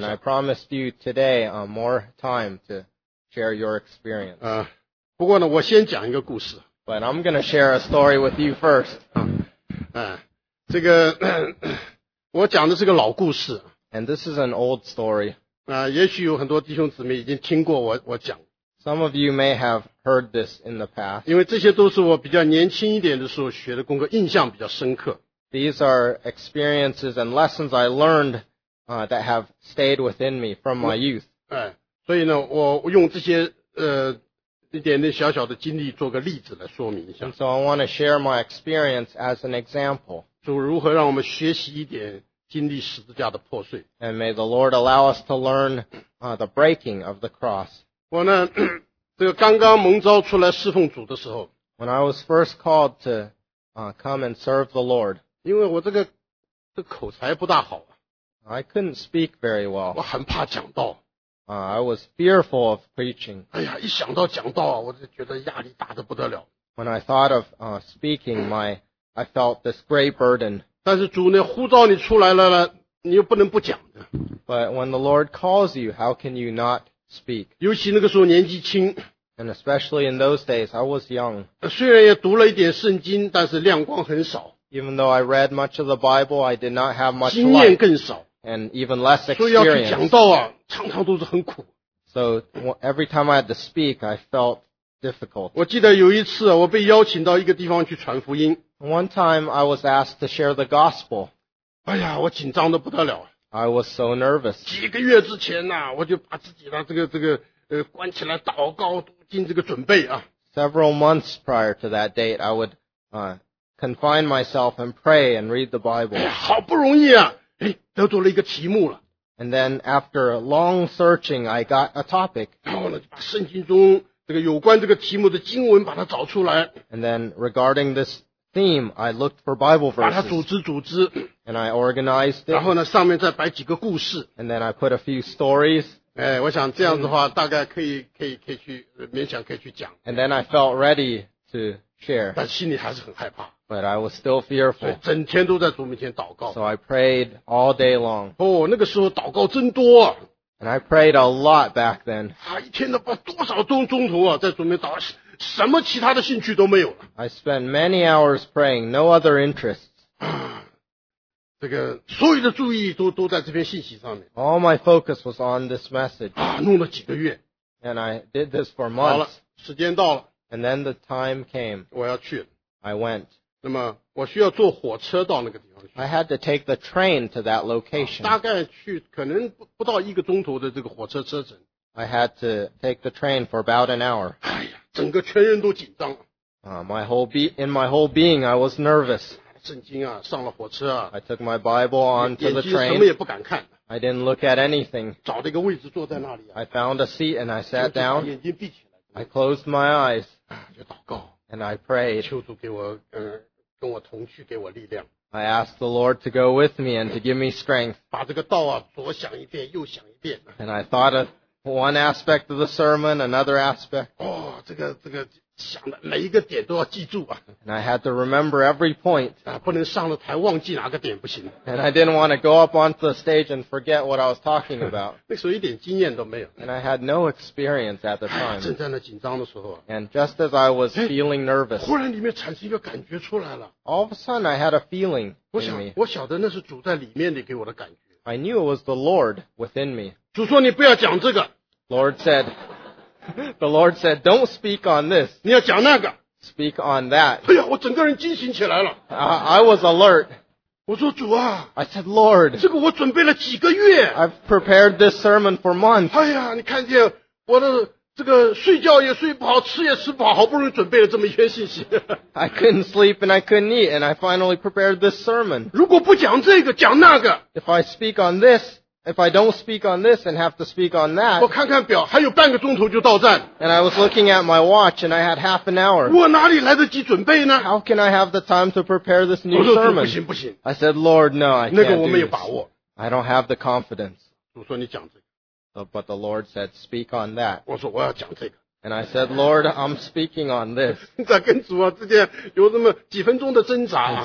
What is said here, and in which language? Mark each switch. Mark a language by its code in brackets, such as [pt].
[en] And I promised you today more time to share your experience. [zh] 不过呢我先讲一个故事。 [en] But I'm going to share a story with you first. [zh] 这个我讲的是个老故事。 [en] And this is an old story. [zh] 也许有很多弟兄姊妹已经听过我讲。 [en] Some of you may have heard this in the past. [zh] 因为这些都是我比较年轻一点的时候学的功课印象比较深刻。 [en] These are experiences and lessons I learned, that have stayed within me from my youth. [zh] 所以呢我用这些一点点小小的经历做个例子来说明一下。 [en] And、so I want to share my experience as an example. [zh] 主如何让我们学习一点经历十字架的破碎。 [en] And may the Lord allow us to learn, the breaking of the cross. [zh] 我呢这个刚刚蒙召出来侍奉主的时候。 [en] When I was first called to, come and serve the Lord. [zh] 因为我这个口才不大好。 [en] I couldn't speak very well. [zh] 我很怕讲道。 [en] I was fearful of preaching. [zh] 哎呀一想到讲道啊我就觉得压力大得不得了。 [en] When I thought of, speaking, I felt this great burden. [zh] 但是主呢呼召你出来了你又不能不讲的。 [en] But when the Lord calls you, how can you not speak? [zh] 尤其那个时候年纪轻。 [en] And especially in those days, I was young. [zh] 虽然也读了一点圣经但是亮光很少。 [en] Even though I read much of the Bible, I did not have much light. [zh] 经验更少。 [en] And even less experience. [zh] 所以要去讲道啊常常都是很苦。 [en] So, every time I had to speak, I felt difficult. [zh] 我记得有一次我被邀请到一个地方去传福音。 [en] One time I was asked to share the gospel. [zh] 哎呀我紧张得不得了。 [en] I was so nervous. [zh] 几个月之前啊我就把自己的这个关起来祷告进这个准备啊。 [en] Several months prior to that date, I would, confine myself and pray and read the Bible. [zh] 哎呀好不容易啊。得到了一个题目了。 [en] And then after long searching, I got a topic. [zh] 然后呢把圣经中这个有关这个题目的经文把它找出来。 [en] And then regarding this theme, I looked for Bible verses. [zh] 把它组织组织。 [en] And I organized it. [zh] 然后呢上面再摆几个故事。 [en] And then I put a few stories. [zh] 哎我想这样的话大概可以去勉强可以去讲。 [en] And then I felt ready to share. [zh] 但心里还是很害怕。 [en] But I was still fearful. [zh] 整天都在主面前祷告。 [en] So I prayed all day long. [zh] 哦，那个时候祷告真多。 [en] And I prayed a lot back then. [zh] 一天都把多少钟头啊，在主面祷告，什么其他的兴趣都没有了。 [en] I spent many hours praying, no other interests. [zh] 这个所有的注意都在这篇信息上面。 [en] All my focus was on this message. [zh] 弄了几个月。 [en] And I did this for months. [zh] 好了，时间到了。 [en] And then the time came. [zh] 我要去。 [en] I went. [zh] 那么我需要坐火车到那个地方去。 [en] I had to take the train to that location. [zh] 大概去可能不到一个钟头的这个火车车程。 [en] I had to take the train for about an hour. [zh] 哎呀整个全人都紧张。 [en] In my whole being, I was nervous. [zh] 圣经啊上了火车啊。 [en] I took my Bible onto the train. [zh] 眼睛什么也不敢看。 [en] I didn't look at anything. [zh] 找了一个位置坐在那里啊。 [en] I found a seat and I sat down. [zh] 眼睛闭起来。 [en] I closed my eyes. [zh] 就祷告。 [en] And I prayed. [zh] 求主给我跟我同去给我力量。 [en] I asked the Lord to go with me and to give me strength. [zh] 把这个道啊左想一遍右想一遍。 [en] And I thought of one aspect of the sermon, another aspect. [zh] 哦这个想的每一个点都要记住啊。 [en] And I had to remember every point. [zh] 不能上了台忘记哪个点不行。 [en] And I didn't want to go up onto the stage and forget what I was talking about. [zh] 那时候一点经验都没有。 [en] And I had no experience at the time. [zh] 正在那紧张的时候啊。 [en] And just as I was feeling nervous. [zh] 忽然里面产生一个感觉出来了。 [en] All of a sudden I had a feeling. [zh] 我晓得那是主在里面的给我的感觉。 [en] I knew it was the Lord within me. [zh] 主说你不要讲这个。 [en] Lord said,The Lord said, don't speak on this. [zh] 你要讲那个。 [en] Speak on that. [zh] 哎呀我整个人惊醒起来了。 [en] I was alert. I said, Lord, I've prepared this sermon for months. [zh] 哎呀,你看见我的这个睡觉也睡不好,吃也吃不好,好不容易准备了这么一些信息。 [en] I couldn't sleep and I couldn't eat, and I finally prepared this sermon. [zh] 如果不讲这个,讲那个。 [en] If I speak on this, if I don't speak on this and have to speak on that. [zh] 我看看表,还有半个钟头就到站。 [en] And I was looking at my watch and I had half an hour. [zh] 我哪里来得及准备呢? [en] How can I have the time to prepare this new sermon? [zh] 不行。 [en] I said, Lord, no, I can't. [zh] 那个我没有把握。 [en] I don't have the confidence. [zh] 主说你讲这个。 [en] But the Lord said, speak on that. [zh] 我说我要讲这个。 [en] And I said, Lord, I'm speaking on this. [zh] 在跟主啊之间有那么几分钟的挣扎。